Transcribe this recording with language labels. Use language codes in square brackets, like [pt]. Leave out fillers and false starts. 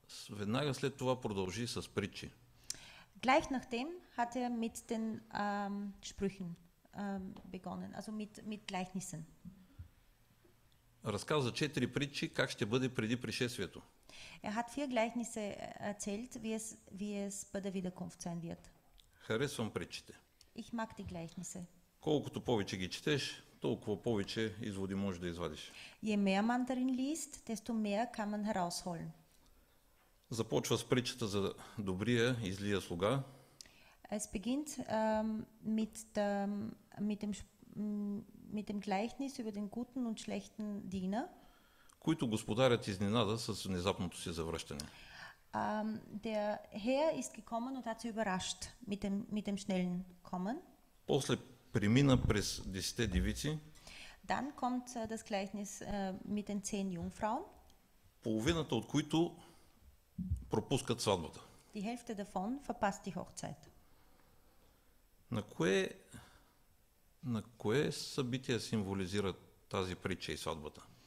[bg] Веднага след това продължи с притчи. [de] Gleich nachdem hat mit den Sprüchen begonnen, also mit Gleichnissen. [bg] Разказа четири притчи как ще бъде преди пришествието. [de] Er hat vier Gleichnisse erzählt, wie es bei der Wiederkunft sein wird. [bg] Харесвам притчите. [de] Ich mag die Gleichnisse. [bg] Колкото повече ги четеш, толкова повече изводи можеш да извадиш. [de] Je mehr man darin liest, desto mehr kann man herausholen. [bg] Започва с притчата за добрия и злия слуга. [de] Es beginnt mit dem Gleichnis über den guten und schlechten Diener. [bg] Който господарят изненада с внезапното си завръщане. [de] Der Herr ist gekommen und hat sie überrascht mit dem schnellen kommen. [bg] После премина през 10 девици. [de] Dann kommt das Gleichnis mit den 10 Jungfrauen. [bg] Половината от които пропускат сватбата. [de] Die Hälfte davon verpasst die Hochzeit. [bg] На кое събитие символизира тази притча и сватбата?